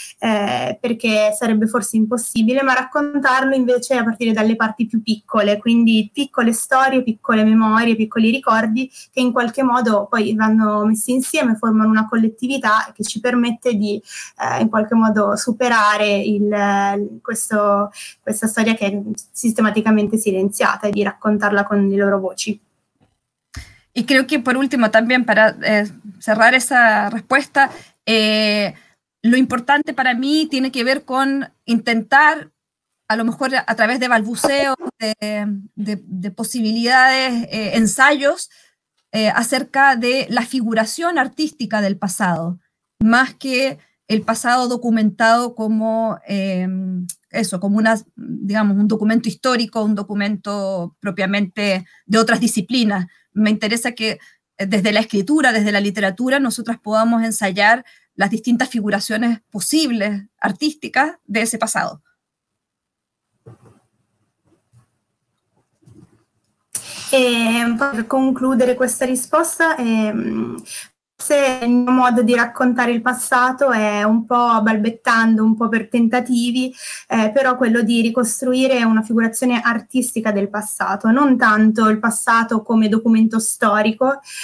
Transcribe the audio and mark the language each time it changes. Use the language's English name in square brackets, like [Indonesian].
[Italian] perché sarebbe forse impossibile, ma raccontarlo invece a partire dalle parti più piccole, quindi piccole storie, piccole memorie, piccoli ricordi che in qualche modo poi vanno messi insieme, formano una collettività che ci permette di in qualche modo superare questa storia che è sistematicamente silenziata e di raccontarla con le loro voci. E credo che per ultimo, [Spanish] también para cerrar esa respuesta, lo importante para mí tiene que ver con intentar, a lo mejor a través de balbuceos, de posibilidades, ensayos, acerca de la figuración artística del pasado, más que el pasado documentado como, eso, como una, digamos, un documento histórico, un documento propiamente de otras disciplinas. Me interesa que desde la escritura, desde la literatura, nosotras podamos ensayar las distintas figuraciones posibles artísticas de ese pasado. [Italian] Per concludere questa risposta, forse il mio modo di raccontare il passato è un po' balbettando, un po' per tentativi, però quello di ricostruire una figurazione artistica del passato, non tanto il passato come documento storico,